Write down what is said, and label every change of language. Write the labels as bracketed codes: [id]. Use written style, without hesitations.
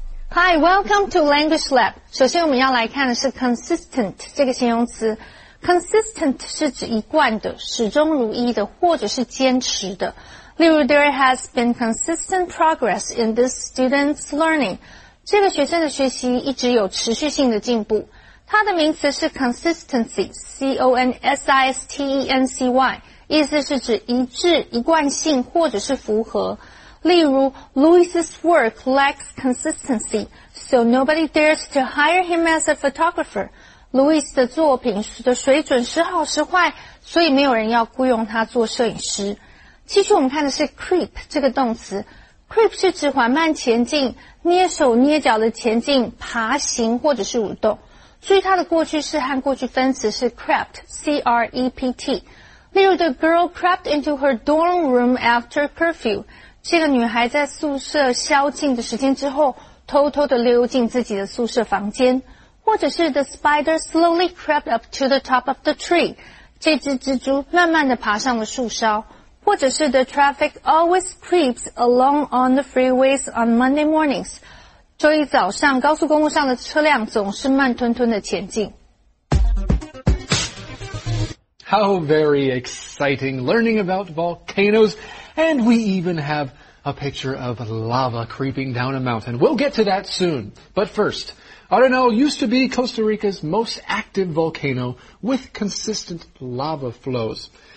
[en] Hi, welcome to Language Lab. [zh] 首先我们要来看的是 consistent 这个形容词。 Consistent 是指一贯的、始终如一的或者是坚持的。例如 [en] there has been consistent progress in this student's learning. [zh] 这个学生的学习一直有持续性的进步。它的名词是 consistency, C-O-N-S-I-S-T-E-N-C-Y, 意思是指一致、一贯性或者是符合。例如 [en] Louis's work lacks consistency, so nobody dares to hire him as a photographer. [zh] Louis 的作品的水准时好时坏，所以没有人要雇佣他做摄影师。继续我们看的是 creep 这个动词。creep 是指缓慢前进、捏手捏脚的前进、爬行或者是蠕动。注意它的过去式和过去分词是 crept, C-R-E-P-T。例如 [en] the girl crept into her dorm room after curfew。 [zh] 这个女孩在宿舍宵禁的时间之后偷偷地溜进自己的宿舍房间。或者是 [en] the spider slowly crept up to the top of the tree. [zh] 这只蜘蛛慢慢地爬上了树梢。或者是 [en] the traffic always creeps along on the freeways on Monday mornings. [zh] 周一早上高速公路上的车辆总是慢吞吞地前进。 [en] How very exciting, learning about volcanoes, and we even have a picture of lava creeping down a mountain. We'll get to that soon. But first, Arenal used to be Costa Rica's most active volcano with consistent lava flows.